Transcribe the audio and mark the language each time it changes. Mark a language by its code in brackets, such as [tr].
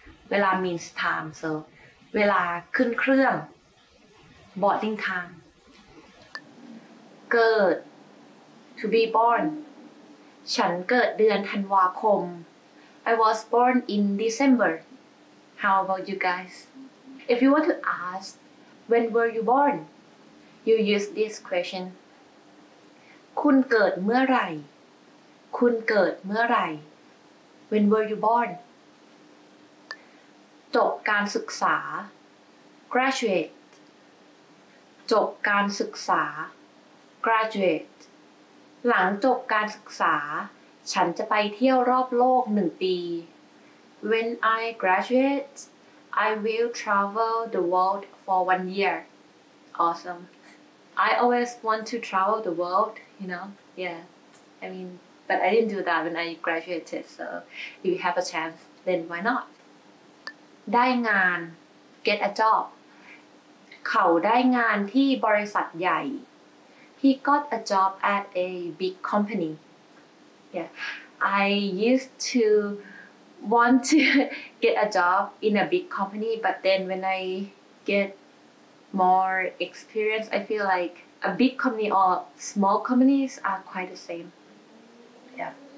[en] เวลา means time, so [th] เวลาขึ้นเครื่อง [en] boarding time. เกิด to be born. [th] ฉันเกิดเดือนธันวาคม [en] I was born in December. How about you guys? If you want to ask, when were you born? You use this question. [th] คุณเกิดเมื่อไหร่คุณเกิดเมื่อไหร่ [en] When were you born? [th] จบการศึกษา Graduate จบการศึกษา Graduate หลังจบการศึกษาฉันจะไปเที่ยวรอบโลก1 ปี [en] When I graduate, I will travel the world for 1 year. Awesome. I always want to travel the world, you know? Yeah. I mean, but I didn't do that when I graduated, so if you have a chance, then why not? ได้งาน get a job. [th] เขาได้งานที่บริษัทใหญ่ [en] He got a job at a big company. Yeah. I used to want to get a job in a big company, but then when I get more experience, I feel like a big company or small companies are quite the same. Yeah.